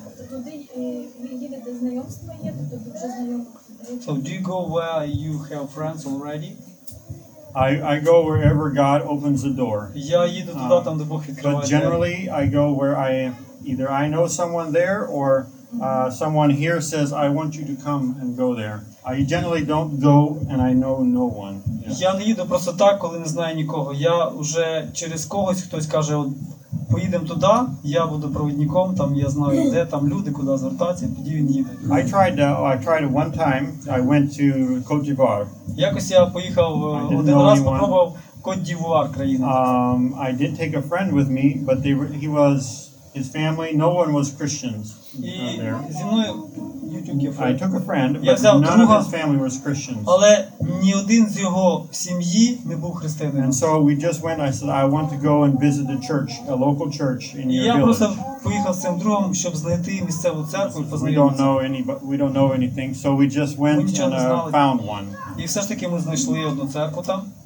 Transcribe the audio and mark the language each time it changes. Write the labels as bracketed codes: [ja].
[uk] Туди їде, де знайомство є, то дуже знайомих. [en] So do you go where you have friends already? I go wherever God opens the door. [uk] Я їду туди, там, де Бог відкриває. [en] But generally I go where I know someone there or someone here says I want you to come and go there. I generally don't go and I know no one. [uk] Я не їду просто так, коли не знаю нікого. Я вже через когось хтось каже, от поїдемо туди, я буду провідником, там я знаю, де там люди, куди звертатися, тоді він їде. [en] I tried one time, I went to Cote d'Ivoire. [uk] Якось я поїхав один раз, попробував Кот-д'Івуар країна. [en] I did take a friend with me, but his family, no one was Christians. I took a friend, but none of his family was Christians. [uk] Але ні один з його сім'ї не був християнином. [en] And so we just went, I said, I want to go and visit the church, a local church in your village. [uk] Я просто поїхав з цим другом, щоб знайти місцеву церкву, познайомитися. [en] We don't know anything, so we just went and found one. [uk] І все ж таки ми знайшли одну церкву там.